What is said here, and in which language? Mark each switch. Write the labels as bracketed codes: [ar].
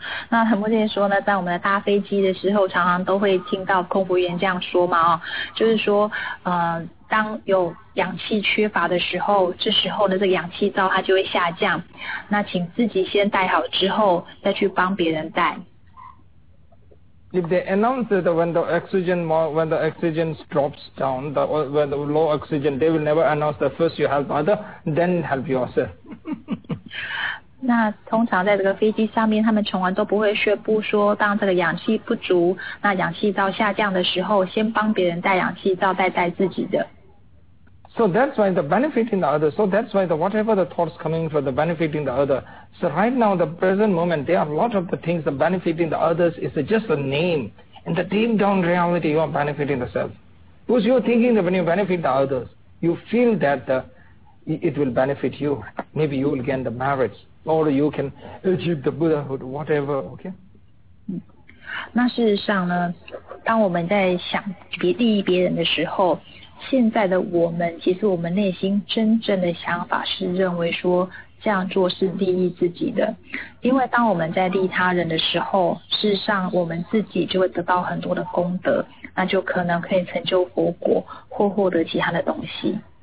[zh] 那很多人说呢，在我们的搭飞机的时候，常常都会听到空服员这样说嘛，哦，就是说，当有氧气缺乏的时候，这时候呢，这个氧气罩它就会下降。那请自己先戴好之后，再去帮别人戴。 [en] If they announce that when the oxygen drops down, when the low oxygen, they will never announce that first you help other, then help yourself. [zh] 那通常在这个飞机上面，他们从来都不会宣布说，当这个氧气不足，那氧气罩下降的时候，先帮别人戴氧气罩，再戴自己的。 [en] So that's why the benefiting the other. So that's why the whatever the thoughts coming for the benefiting the other. So right now, the present moment, there are a lot of the things that benefiting the others is just a name. In the deep down reality, you are benefiting the self. Because you are thinking that when you benefit the others, you feel that it will benefit you. Maybe you will gain the merits or you can achieve the Buddhahood, whatever, okay? [zh] 那事实上呢，当我们在想别利益别人的时候，现在的我们，其实我们内心真正的想法是认为说这样做是利益自己的，因为当我们在利他人的时候，事实上我们自己就会得到很多的功德，那就可能可以成就佛果或获得其他的东西。